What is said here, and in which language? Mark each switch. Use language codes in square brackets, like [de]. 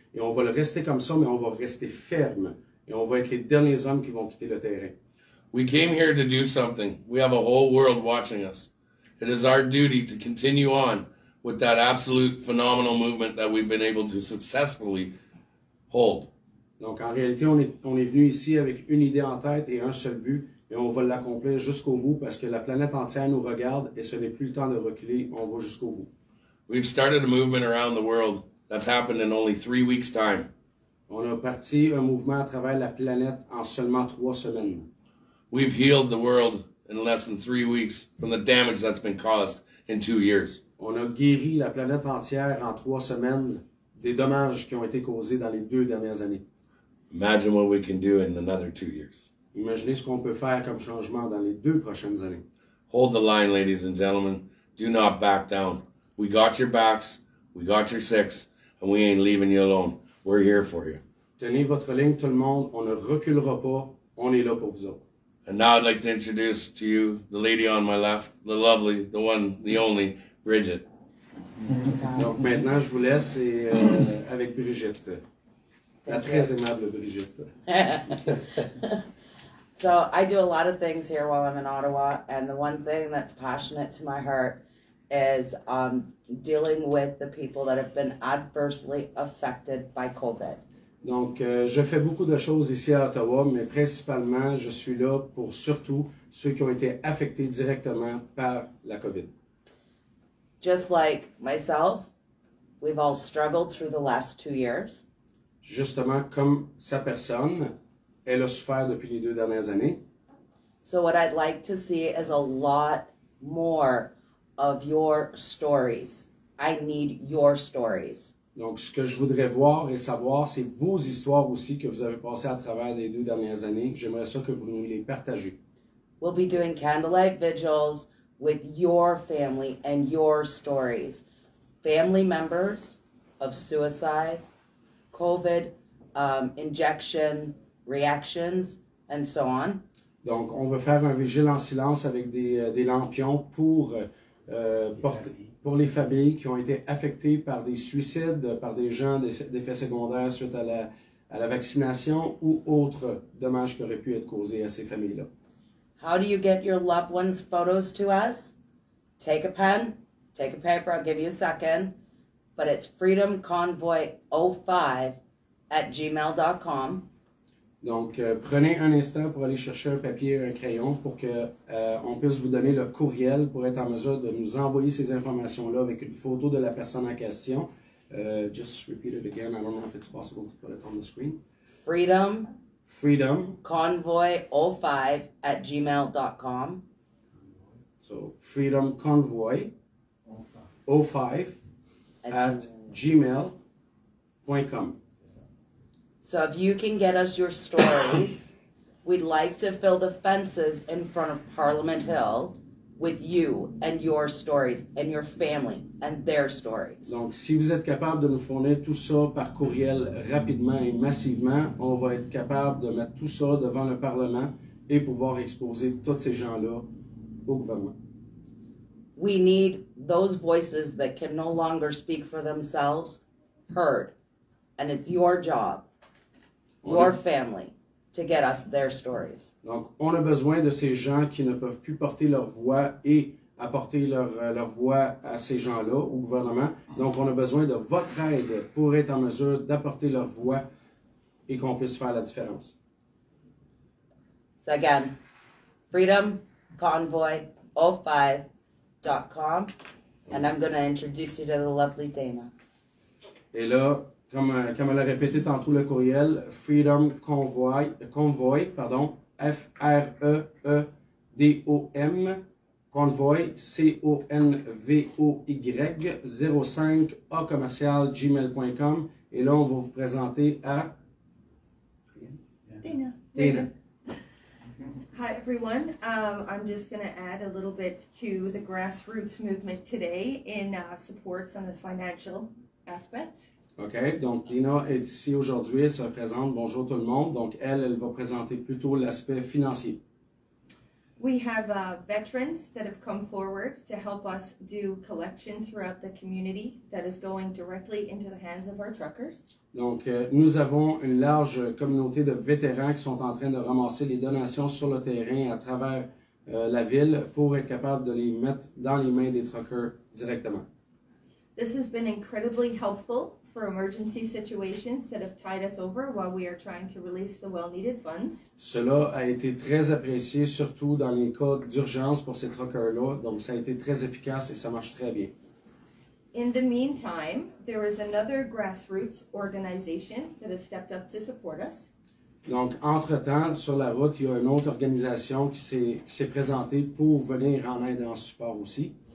[fr] Et on va le rester comme ça, mais on va rester ferme. Et on va être les derniers hommes qui vont quitter le terrain. [en] We came here to do something. We have a whole world watching us. It is our duty to continue on with that absolute phenomenal movement that we've been able to successfully hold. [fr] Donc, en réalité, on est venu ici avec une idée en tête et un seul but. Et on va l'accomplir jusqu'au bout parce que la planète entière nous regarde et ce n'est plus le temps de reculer, on va jusqu'au bout. [en] We've started a movement around the world that's happened in only 3 weeks' time. [fr] On a parti un mouvement à travers la planète en seulement 3 semaines. [en] We've healed the world in less than 3 weeks from the damage that's been caused in 2 years. [fr] On a guéri la planète entière en 3 semaines des dommages qui ont été causés dans les 2 dernières années. [en] Imagine what we can do in another 2 years. [fr] Imaginez ce qu'on peut faire comme changement dans les 2 prochaines années. [en] Hold the line, ladies and gentlemen. Do not back down. We got your backs, we got your six, and we ain't leaving you alone. We're here for you. [fr] Tenez votre ligne, tout le monde. On ne reculera pas. On est là pour vous autres. [en] And now I'd like to introduce to you the lady on my left, the lovely, the one, the only, Bridget. [fr] Donc maintenant, je vous laisse et avec Brigitte. La très aimable Brigitte. [en] So I do a lot of things here while I'm in Ottawa, and the one thing that's passionate to my heart is dealing with the people that have been adversely affected by COVID. [fr] Donc, je fais beaucoup de choses ici à Ottawa, mais principalement, je suis là pour surtout ceux qui ont été affectés directement par la COVID. [en] Just like myself, we've all struggled through the last 2 years. [fr] Justement, comme sa personne, elle a souffert depuis les 2 dernières années. [en] So what I'd like to see is a lot more of your stories. I need your stories. [fr] Donc, ce que je voudrais voir et savoir, c'est vos histoires aussi que vous avez passées à travers les 2 dernières années. J'aimerais ça que vous nous les partagez. [en] We'll be doing candlelight vigils with your family and your stories. Family members of suicide, COVID, injection, reactions, and so on. [fr] Donc, on veut faire un vigile en silence avec des lampions pour les familles qui ont été affectées par des suicides, par des gens d'effets secondaires suite à la vaccination ou autres dommages qui auraient pu être causés à ces familles-là. [en] How do you get your loved ones' photos to us? Take a pen, take a paper, I'll give you a second. But it's freedomconvoy05@gmail.com. [fr] Donc, prenez un instant pour aller chercher un papier et un crayon pour qu'on puisse vous donner le courriel pour être en mesure de nous envoyer ces informations-là avec une photo de la personne en question. [en] Just repeat it again. I don't know if it's possible to put it on the screen. Freedom. Freedom. Convoy05@gmail.com. So, freedomconvoy05@gmail.com. So if you can get us your stories, we'd like to fill the fences in front of Parliament Hill with you and your stories and your family and their stories. [fr] Donc, si vous êtes capable de nous fournir tout ça par courriel rapidement et massivement, on va être capable de mettre tout ça devant le Parlement et pouvoir exposer toutes ces gens-là au gouvernement. [en] We need those voices that can no longer speak for themselves heard. And it's your job. Your family, to get us their stories. [fr] Donc, on a besoin de ces gens qui ne peuvent plus porter leur voix et apporter leur voix à ces gens-là, au gouvernement. Donc, on a besoin de votre aide pour être en mesure d'apporter leur voix et qu'on puisse faire la différence. [en] So again, freedomconvoy05.com, and I'm going to introduce you to the lovely Dana. [fr] Et là, comme elle a répété tantôt le courriel, Freedom Convoy, F-R-E-E-D-O-M, Convoy, C-O-N-V-O-Y, 05, A commercial, gmail.com. Et là, on va vous présenter à... [en] Dana. Hi, everyone. I'm just going to add a little bit to the grassroots movement today in supports on the financial aspect. [fr] OK. Donc, Dina est ici aujourd'hui. Elle se présente. Bonjour tout le monde. Donc, elle va présenter plutôt l'aspect financier. [en] We have veterans that have come forward to help us do collection throughout the community that is going directly into the hands of our truckers. [fr] Donc, nous avons une large communauté de vétérans qui sont en train de ramasser les donations sur le terrain à travers la ville pour être capable de les mettre dans les mains des truckers directement. [en] This has been incredibly helpful for emergency situations that have tied us over while we are trying to release the well-needed funds. [fr] Cela a été très apprécié, surtout dans les cas d'urgence pour ces truckers-là. Donc, ça a été très efficace et ça marche très bien. [en] In the meantime, there is another grassroots organization that has stepped up to support us. [fr] Donc, entre-temps, sur la route, il y a une autre organisation qui s'est présentée pour venir en aide et en support aussi.